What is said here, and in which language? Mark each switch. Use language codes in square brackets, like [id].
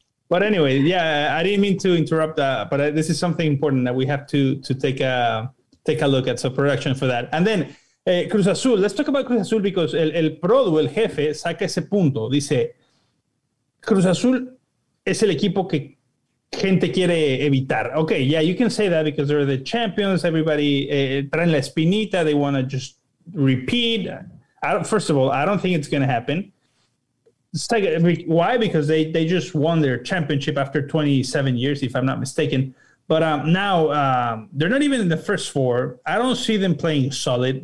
[en] But anyway, yeah, I didn't mean to interrupt that, but this is something important that we have to take a look at, so production for that. And then Cruz Azul, let's talk about Cruz Azul because [es] el Prodo, el jefe, saca ese punto. Dice, Cruz Azul es el equipo que gente quiere evitar. [en] Okay, yeah, you can say that because they're the champions. Everybody [es] traen la espinita. [en] They want to just repeat. I don't think it's going to happen. Why? Because they just won their championship after 27 years, if I'm not mistaken. But now they're not even in the first four. I don't see them playing solid.